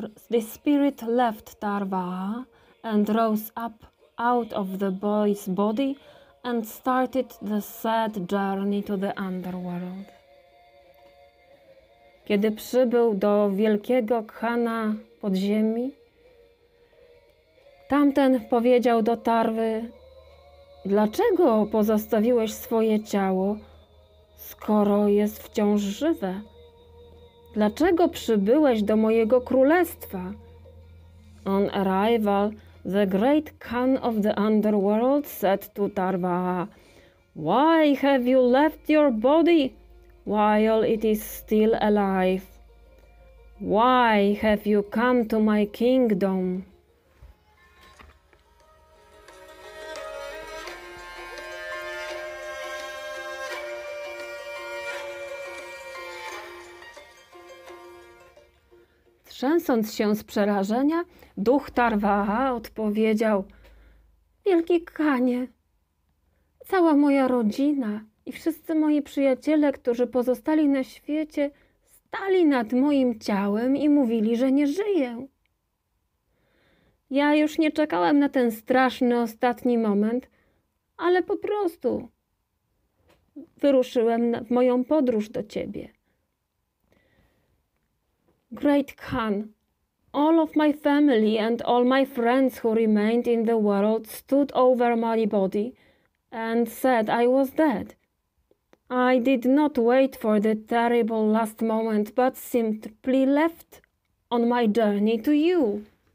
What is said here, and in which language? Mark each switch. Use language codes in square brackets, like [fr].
[en] The spirit left Tarwaa and rose up out of the boy's body and started the sad journey to the underworld. [pl] Kiedy przybył do wielkiego khana podziemi, tamten powiedział do Tarwy, dlaczego pozostawiłeś swoje ciało, skoro jest wciąż żywe? Dlaczego przybyłeś do mojego królestwa? [en] On arrival, the great Khan of the underworld said to Tarwa, why have you left your body while it is still alive? Why have you come to my kingdom? [pl] Trzęsąc się z przerażenia, duch Tarwaa odpowiedział: Wielki Khanie, cała moja rodzina i wszyscy moi przyjaciele, którzy pozostali na świecie, stali nad moim ciałem i mówili, że nie żyję. Ja już nie czekałem na ten straszny ostatni moment, ale po prostu wyruszyłem w moją podróż do ciebie. [en] Great Khan, all of my family and all my friends who remained in the world stood over my body and said I was dead. I did not wait for the terrible last moment, but simply left on my journey to you.